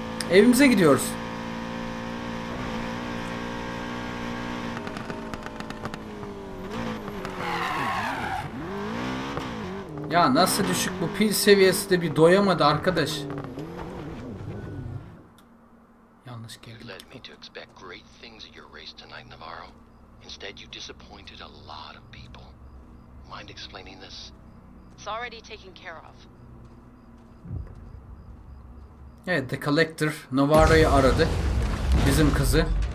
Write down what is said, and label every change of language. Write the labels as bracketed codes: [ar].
[tr] Evimize gidiyoruz. Ya nasıl düşük bu pil seviyesi de, bir doyamadı arkadaş. Yanlış geldi. [en] Led me to expect great things at your race tonight, Navarro. Instead, you disappointed a lot of people. Mind explaining this? It's already taken care of. [tr] Evet, The Collector Navarro'yu aradı. Bizim kızı.